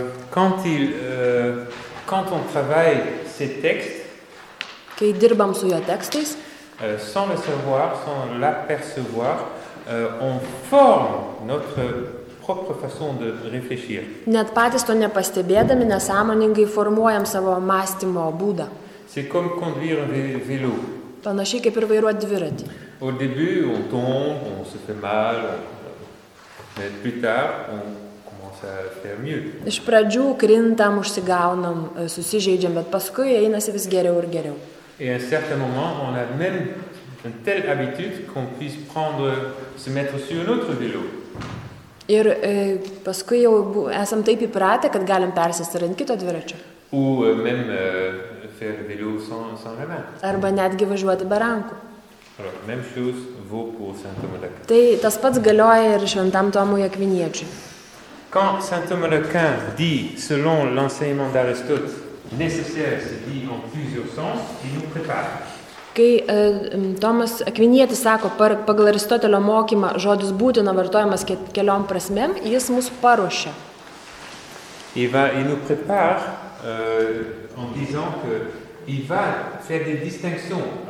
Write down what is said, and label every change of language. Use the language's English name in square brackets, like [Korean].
[French] Quand on travaille ces textes, [Lithuanian] kai dirbam su jo tekstais, [French] sans le savoir, sans l'apercevoir, on forme notre propre façon de réfléchir. [Lithuanian] Net patys to nepastebėdami, nesąmoningai formuojam savo mąstymo būdą. [French] C'est comme conduire un vélo. [Lithuanian] Panašiai kaip ir vairuoti dviratį. [French] Au début, on tombe, on se fait mal. Mais plus tard, on commence à faire mieux. [Lithuanian] Iš pradžių krintam, užsigaunam, susižeidžiam, bet paskui einasi vis geriau ir geriau. [French] Et à un certain moment, on a même une telle habitude qu'on puisse prendre, se mettre sur un autre vélo. [Lithuanian] Ir paskui jau esam taip įpratę, kad galim persėsti ant kito dviračio. [French] Ou même faire vélo sans la main. [Lithuanian] Arba netgi važiuoti be rankų. [French] Même chose vaut pour Saint Thomas d'Aquin. [Lithuanian] Tai tas pats galioja ir šventam Tomui Akviniečiui. [French] Quand Saint Thomas d'Aquin dit, selon l'enseignement d'Aristote, nécessaire se dit en plusieurs sens, il nous prépare. [Lithuanian] Kai Tomas Akvinietis sako, pagal Aristotelio mokymą žodis būtina vartojamas keliom prasmėm, jis mus paruošia. [French] Il nous prépare en disant que il va faire des distinctions.